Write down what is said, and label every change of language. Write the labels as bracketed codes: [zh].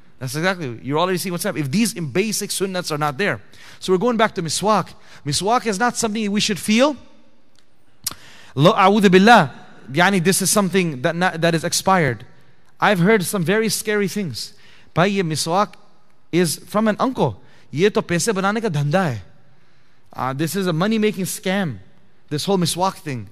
[en] That's exactly what you're already seeing what's happening. If these basic sunnats are not there. So we're going back to miswak. Miswak is not something we should feel. Lo [ar] a'udhu billah. [en] Yani, this is something that is expired. I've heard some very scary things. Bhai, ye miswak is from an uncle. [ur] یہ تو پیسے بنانے کا دھندا ہے۔ [en] This is a money-making scam. This whole miswak thing.